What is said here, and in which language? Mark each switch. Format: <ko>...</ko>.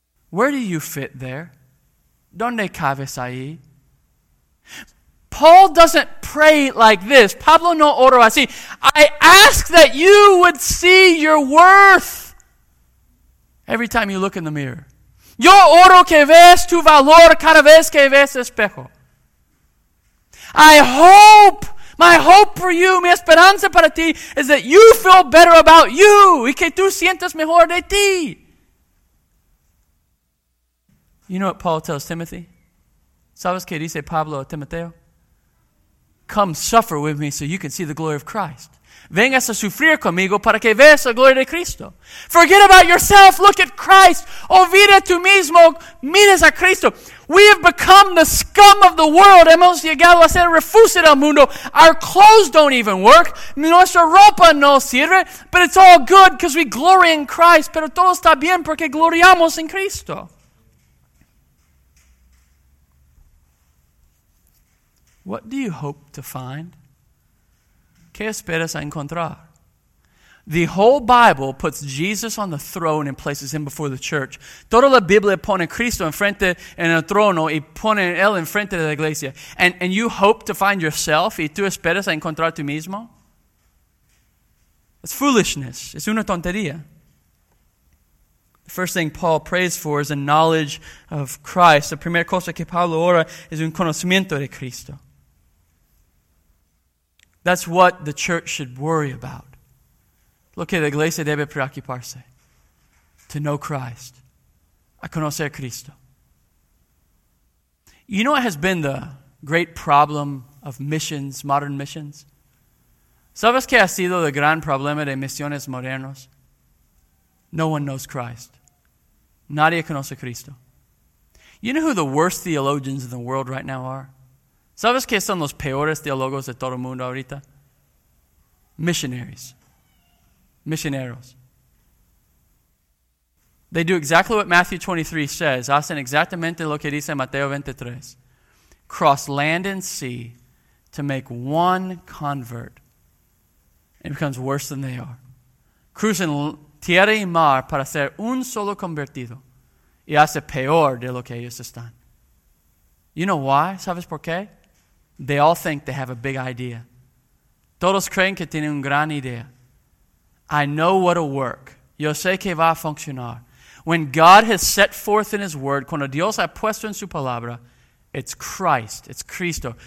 <en>Where do you fit there?</en> <es>¿Dónde cabes ahí?</es> <en>Paul doesn't pray like this.</en> <es>Pablo no oro así.</es> <en>I ask that you would see your worth every time you look in the mirror.</en> <es>Yo oro que ves tu valor cada vez que ves espejo.</es> <en>I hope, my hope for you,</en> <es>mi esperanza para ti,</es> <en>is that you feel better about you</en> <es>y que tú sientas mejor de ti.</es> <en>You know what Paul tells Timothy?</en> <es>¿Sabes qué dice Pablo a Timoteo?</es> <en>Come suffer with me so you can see the glory of Christ.</en> <es>Vengas a sufrir conmigo para que veas la gloria de Cristo.</es> <en>Forget about yourself, look at Christ.</en> <es>Olvida tú mismo, miras a Cristo.</es> <en>We have become the scum of the world.</en> <es>Hemos llegado a ser refugio del mundo.</es> <en>Our clothes don't even work.</en> <es>Nuestra ropa no sirve.</es> <en>But it's all good because we glory in Christ.</en> <es>Pero todo está bien porque gloriamos en Cristo.</es> <en>What do you hope to find?</en> <es>¿Qué esperas a encontrar?</es> <en>The whole Bible puts Jesus on the throne and places him before the church.</en> <es>Toda la Biblia pone Cristo enfrente en el trono y pone él enfrente de la iglesia.</es> <en>And you hope to find yourself</en> <es>y tú esperas a encontrar tú mismo?</es> <en>It's foolishness.</en> <es>Es una tontería.</es> <en>The first thing Paul prays for is a knowledge of Christ.</en> <es>La primera cosa que Pablo ora es un conocimiento de Cristo.</es> <en>That's what the church should worry about.</en> <es>Lo que la iglesia debe preocuparse.</es> <en>To know Christ.</en> <es>A conocer Cristo.</es> <en>You know what has been the great problem of missions, modern missions?</en> <es>¿Sabes qué ha sido el gran problema de misiones modernos?</es> <en>No one knows Christ.</en> <es>Nadie conoce Cristo.</es> <en>You know who the worst theologians in the world right now are?</en> <es>¿Sabes qué son los peores teólogos de todo el mundo ahorita?</es> <en>Missionaries. Missioneros. They do exactly what Matthew 23 says.</en> <es>Hacen exactamente lo que dice Mateo 23.</es> <en>Cross land and sea to make one convert. It becomes worse than they are.</en> <es>Cruzan tierra y mar para ser un solo convertido. Y hace peor de lo que ellos están.</es> <en>You know why?</en> <es>¿Sabes por qué?</es> <en>They all think they have a big idea.</en> <es>Todos creen que tienen una gran idea.</es> <en>I know what'll work.</en> <es>Yo sé que va a funcionar.</es> <en>When God has set forth in his word,</en> <es>cuando Dios ha puesto en su palabra,</es> <en>it's Christ, it's Cristo.</en>